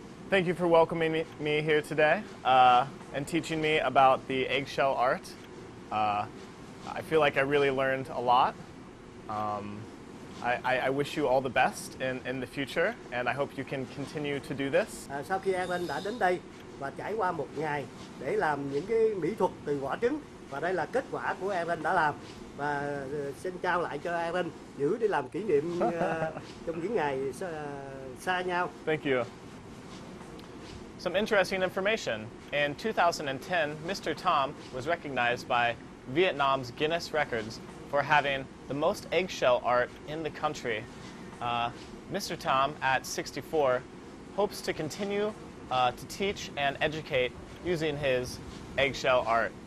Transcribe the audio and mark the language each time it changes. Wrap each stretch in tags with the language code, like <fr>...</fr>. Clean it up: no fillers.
<en>Thank you for welcoming me here today and teaching me about the eggshell art. I feel like I really learned a lot. I wish you all the best in the future, and I hope you can continue to do this.</en> <vi>Sau khi Evan đã đến đây và trải qua một ngày để làm những cái mỹ thuật từ vỏ trứng. Và đây là kết quả của Evan đã làm và xin trao lại cho Evan giữ để làm kỷ niệm trong những ngày xa nhau.</vi> <en>Thank you. Some interesting information. In 2010, Mr. Tom was recognized by Vietnam's Guinness Records for having the most eggshell art in the country. Mr. Tom, at 64, hopes to continue to teach and educate using his eggshell art.</en>